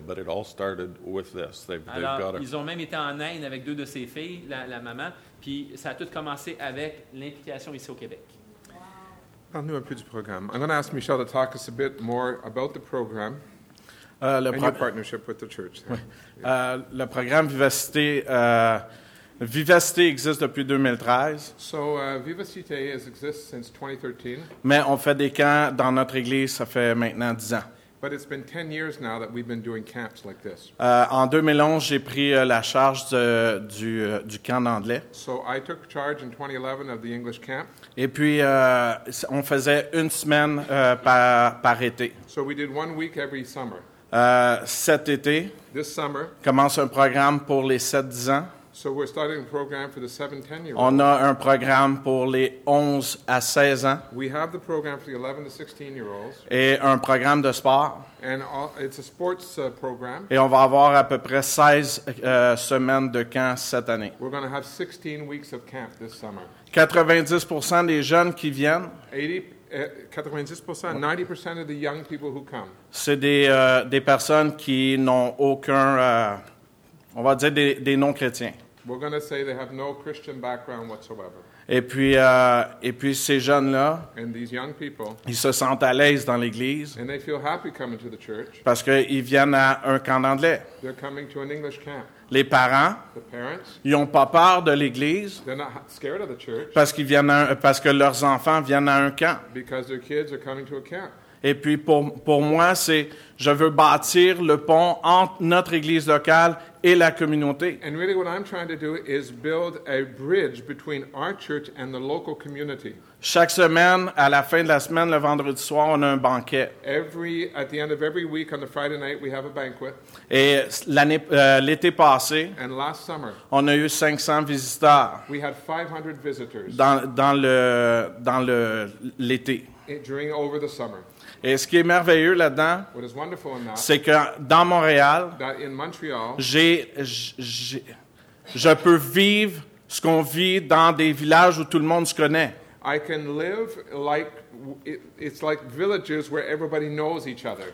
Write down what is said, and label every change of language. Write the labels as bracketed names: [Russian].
[English] But it all started with this. [French] Ils ont même été en Inde avec deux de ses filles, la maman. Puis ça a tout commencé avec l'implication ici au Québec. Wow. Parle-nous un peu du programme. [English] I'm going to ask Michel to talk us a bit more about the program. [French] Le programme Vivacité existe depuis 2013. [English] So Vivacité exists since 2013. [French] Mais on fait des camps dans notre église, ça fait maintenant 10 ans. [English] But it's been 10 years now that we've been doing camps like this. [French] En 2011, j'ai pris la charge du camp d'anglais. [English] So I took charge in 2011 of the English camp. [French] Et puis on faisait une semaine par été. [English] So we did 1 week every summer. [French] Cet été, [English] this summer, [French] commence un programme pour les 7-10 ans. [English] So we're starting a program for the 7-10-year-olds. [French] On a un programme pour les 11 à 16 ans. [English] We have the program for the 11 to 16-year-olds. [French] Et un programme de sport. [English] And it's a sports program. [French] Et on va avoir à peu près 16 semaines de camp cette année. [English] We're going to have 16 weeks of camp this summer. [French] 90% des jeunes qui viennent. [English] 90% of the young people who come. [French] C'est des personnes qui n'ont aucun, on va dire des non-chrétiens. [English] We're going to say they have no Christian background whatsoever. [French] Et puis ces jeunes-là, [English] and these young people, [French] ils se sentent à l'aise dans l'église. [English] And they feel happy coming to the church. [French] Parce qu'ils viennent à un camp d'anglais. [English] They're coming to an English camp. [French] Les parents, [English] the parents, [French] ils n'ont pas peur de l'Église parce que leurs enfants viennent à un camp. [English] Because their kids are coming to a camp. [French] Et puis pour moi, c'est je veux bâtir le pont entre notre Église locale et la communauté. [English] And really what I'm trying to do is build a bridge between our church and the local community. [French] Chaque semaine, à la fin de la semaine, le vendredi soir, on a un banquet. [English] At the end of every week, on the Friday night, we have a banquet. [French] Et l'été passé, [English] and last summer, [French] on a eu 500 visiteurs. [English] We had 500 visitors. [French] Dans l'été. [English] Over the summer. [French] Et ce qui est merveilleux là-dedans, [English] what is wonderful in that, [French] c'est que dans Montréal, [English] that in Montreal, [French] je peux vivre ce qu'on vit dans des villages où tout le monde se connaît. [English] I can live like it's like villages where everybody knows each other.